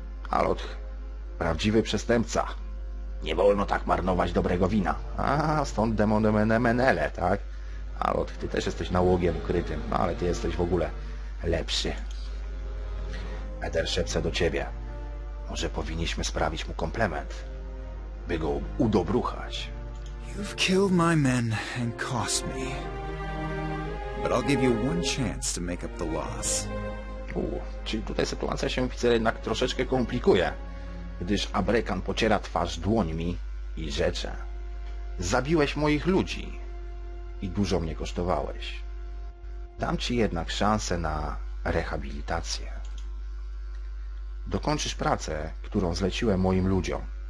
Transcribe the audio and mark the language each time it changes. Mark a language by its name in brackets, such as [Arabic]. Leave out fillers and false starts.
[Polish] Alot, prawdziwy przestępca. Nie wolno tak marnować dobrego wina. A stąd demonemenele, tak? Alot, ty też jesteś nałogiem ukrytym, no ale ty jesteś w ogóle lepszy. Eder szepce do ciebie. Może powinniśmy sprawić mu komplement, by go udobruchać. [English] You've killed my men and cost me. But I'll give you one chance to make up the loss. [Polish] Czyli tutaj sytuacja się, widzę, jednak troszeczkę komplikuje, gdyż Abrekan pociera twarz dłońmi i rzecze. Zabiłeś moich ludzi i dużo mnie kosztowałeś. Dam ci jednak szansę na rehabilitację. Dokończysz pracę, którą zleciłem moim ludziom.